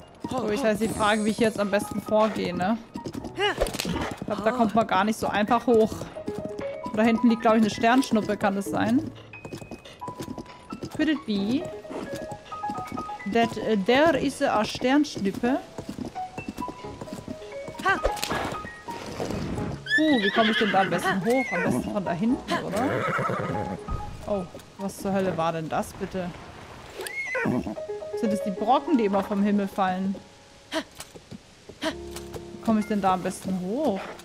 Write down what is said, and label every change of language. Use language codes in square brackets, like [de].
[de] So, ich weiß die Frage, wie ich jetzt am besten vorgehe, ne? Ich glaube, da kommt man gar nicht so einfach hoch. Da hinten liegt, glaube ich, eine Sternschnuppe, kann das sein? [en] Could it be that there is a Sternschnuppe? [de] Puh, wie komme ich denn da am besten hoch? Am besten von da hinten, oder? Oh, was zur Hölle war denn das, bitte? Sind es die Brocken, die immer vom Himmel fallen? komme ich denn da am besten hoch?